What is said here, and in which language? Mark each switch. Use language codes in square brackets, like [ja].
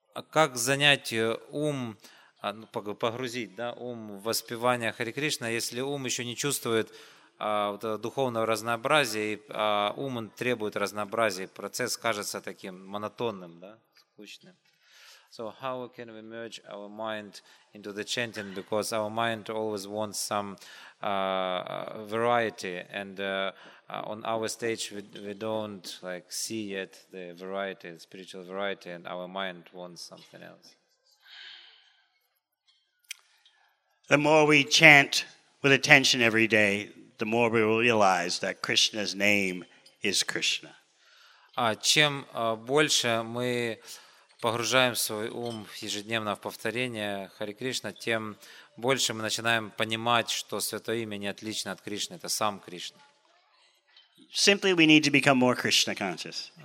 [ru] Как занять ум, погрузить, да, ум в воспевание Хари Кришна, если ум еще не чувствует вот духовного разнообразия, и ум он требует разнообразия, процесс кажется таким монотонным, да, скучным. [en] So how can we merge our mind into the chanting? Because our mind always wants some variety, and on our stage we don't like see yet the variety, the spiritual variety, and our mind wants something else. The more we chant with attention every day, the more we realize that Krishna's name is Krishna. [ru] Чем больше мы погружаем свой ум ежедневно в повторение Хари Кришна, тем больше мы начинаем понимать, что Святое Имя не отлично от Кришны, это сам Кришна. [en] Simply we need to become more Krishna conscious.